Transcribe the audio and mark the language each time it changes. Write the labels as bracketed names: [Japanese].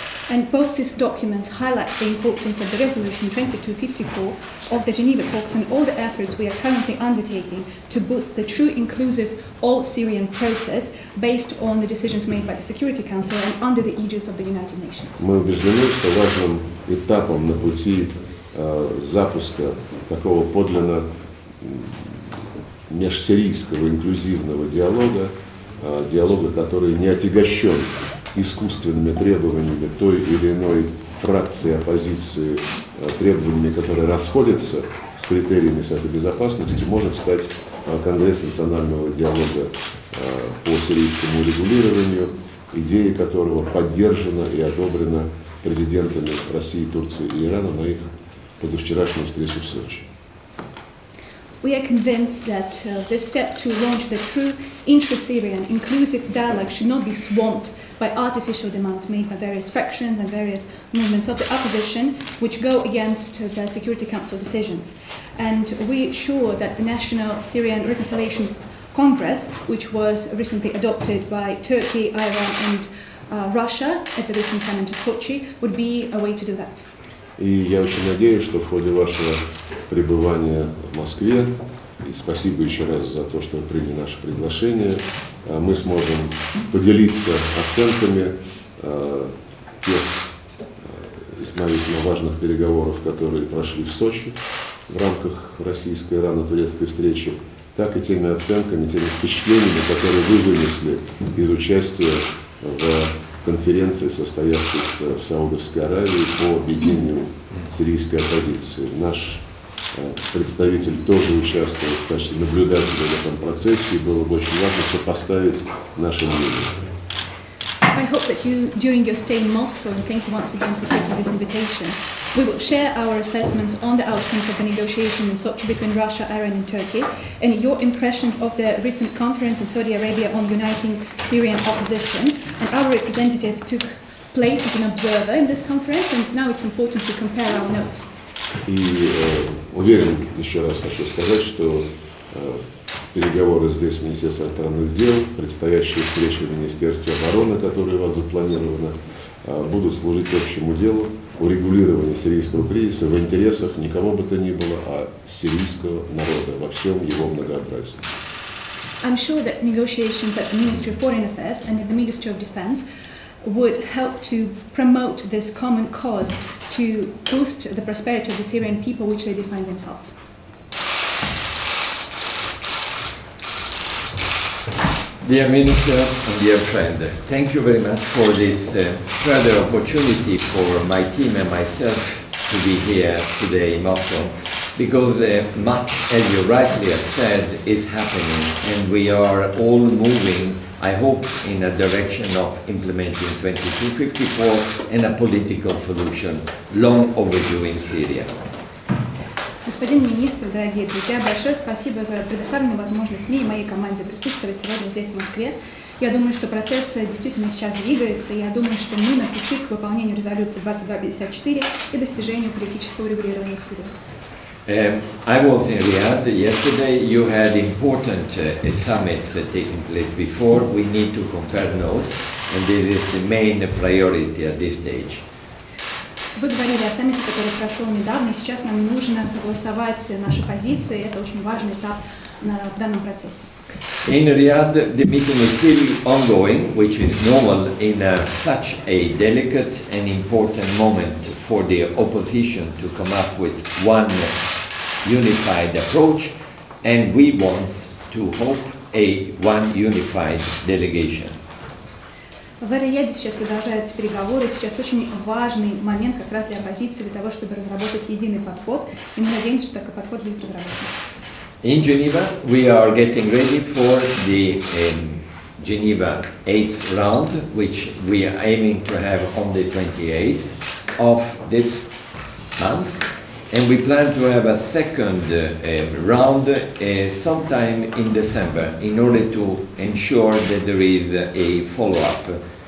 [English] And both these documents highlight the importance of the Resolution 2254 of the Geneva Talks and all the efforts we are currently undertaking to boost the true inclusive all-Syrian process based on the decisions made by the Security Council and under the aegis of the United Nations. [Russian] Мы убеждены, что важным этапом на пути запуска такого подлинно межсирийского инклюзивного диалога, диалога, который не отягощен искусственными требованиями той или иной фракции оппозиции, требованиями, которые расходятся с критериями Совета Безопасности, может стать Конгресс национального диалога по сирийскому регулированию, идея которого поддержана и одобрена президентами России, Турции и Ирана на их позавчерашней встрече в Сочи. [English] We are convinced that this step to launch the true intra-Syrian inclusive dialogue should not be swamped by artificial demands made by various factions and various movements of the opposition, which go against the Security Council decisions. And we are sure that the National Syrian Reconciliation Congress, which was recently adopted by Turkey, Iran and Russia at the recent summit in Sochi, would be a way to do that. [Russian] И я очень надеюсь, что в ходе вашего пребывания в Москве, и спасибо еще раз за то, что вы приняли наше приглашение, мы сможем поделиться оценками тех весьма важных переговоров, которые прошли в Сочи в рамках российской ирано-турецкой встречи, так и теми оценками, теми впечатлениями, которые вы вынесли из участия в конференции, состоявшейся в Саудовской Аравии по объединению сирийской оппозиции. Наш представитель тоже участвует в качестве наблюдателя в этом процессе, и было бы очень важно сопоставить наши мнения. [English] I hope that you, during your stay in Moscow, and thank you once again for taking this invitation, we will share our assessments on the outcomes of the negotiation in Sochi between Russia, Iran and Turkey, and your impressions of the recent conference in Saudi Arabia on uniting Syrian opposition. And our representative took place as an observer in this conference, and now it's important to compare our notes. [Russian] И уверен, еще раз хочу сказать, что переговоры здесь в Министерстве иностранных дел, предстоящие встречи в Министерстве обороны, которые у вас запланированы, будут служить общему делу урегулирования сирийского кризиса в интересах никого бы то ни было, а сирийского народа во всем его многообразии. [English] I'm sure that negotiations at the Ministry of Foreign Affairs and at the Ministry of Defense would help to promote this common cause to boost the prosperity of the Syrian people which they define themselves. Dear Minister and dear friend, thank you very much for this further opportunity for my team and myself to be here today in Moscow, because much, as you rightly have said, is happening and we are all moving, I hope, in a direction of implementing 2254 and a political solution, long overdue in Syria. [Russian] Господин министр, дорогие друзья, большое спасибо за предоставленную возможность мне и моей команде присутствовать сегодня здесь, в Москве. Я думаю, что процесс действительно сейчас двигается, и я думаю, что мы на пути к выполнению резолюции 2254 и достижению политического урегулирования в Сирии. [English] I was in Riyadh yesterday. You had important summits taking place before. We need to compare notes. and this is the main priority at this stage. [Russian] Вы говорили о саммите, который прошел недавно, и сейчас нам нужно согласовать наши позиции, это очень важный этап в данном процессе. [English] In Riyadh, the meeting is still ongoing, which is normal in such a delicate and important moment for the opposition to come up with one unified approach, and we want to hope a one unified delegation. [Russian] В Риаде сейчас продолжаются переговоры. Сейчас очень важный момент как раз для оппозиции, для того, чтобы разработать единый подход. И мы надеемся, что такой подход будет разработан. [English] In Geneva, we are getting ready for the Geneva 8th round, which we are aiming to have on the 28th of this month. And we plan to have a second round sometime in December in order to ensure that there is a follow-up.